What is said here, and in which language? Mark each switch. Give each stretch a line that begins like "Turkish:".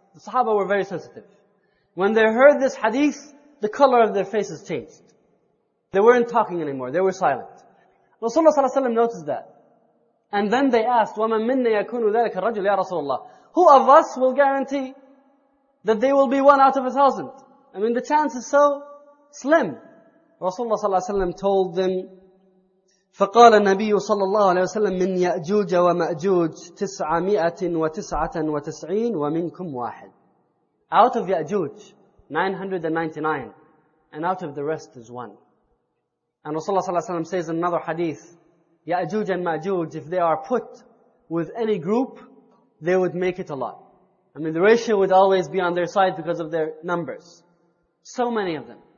English: The Sahaba were very sensitive. When they heard this hadith, the color of their faces changed. They weren't talking anymore, they were silent. Rasulullah sallallahu alayhi wa sallam noticed that. And then they asked,
Arabic: وَمَن مِنَّ يَكُونُ ذَلَكَ الرَّجُلُ يَا رَسُولَ اللَّهِ
English: Who of us will guarantee that they will be one out of 1,000? I mean, the chance is so slim. Rasulullah sallallahu alayhi wa sallam told them,
Arabic: فقال النبي صلى الله عليه وسلم من يأجوج ومأجوج 999 ومنكم واحد.
English: Out of يأجوج 999 and out of the rest is one. And Rasulullah صلى الله عليه وسلم says in another hadith, يأجوج and مأجوج, if they are put with any group, they would make it a lot. I mean, the ratio would always be on their side because of their numbers. So many of them.